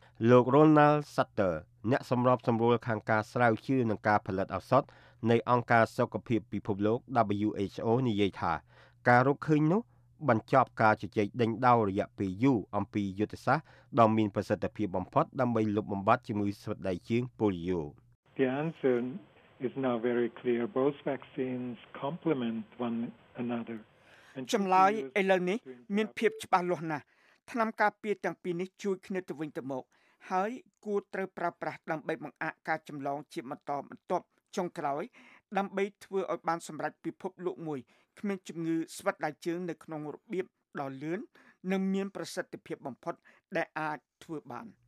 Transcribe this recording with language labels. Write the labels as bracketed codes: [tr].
[km] លោក Ronald Sutter អ្នកសម្របសម្រួលខាងការស្រាវជ្រាវនិងការផលិតឱសថនៃអង្គការសុខភាពពិភពលោក WHO និយាយថាការរកឃើញនោះបញ្ចប់ការជជែកដេញដោលរយៈពេលយូរអំពីយុទ្ធសាស្ត្រដ៏មានប្រសិទ្ធភាពបំផុតដើម្បីលុបបំបាត់ជំងឺស្វិតដៃជើងប៉ូលីយ៉ូ [en] The answer is now very clear. Both vaccines complement one another. [km] ចម្លើយឥឡូវនេះមានភាពច្បាស់លាស់ណាស់ថ្នាំការពារទាំងពីរនេះជួយគ្នាទៅវិញទៅមកហើយគួរត្រូវប្រើប្រាស់ដើម្បីបង្អាក់ការចម្លងជាបន្តបន្ទាប់ចុងក្រោយដើម្បីធ្វើឲ្យបានសម្រេចពិភពលោកមួយគ្មានជំងឺស្វិតដៃជើងនៅក្នុងរបៀបដ៏លឿននិងមានប្រសិទ្ធភាពបំផុតដែលអាចធ្វើបាន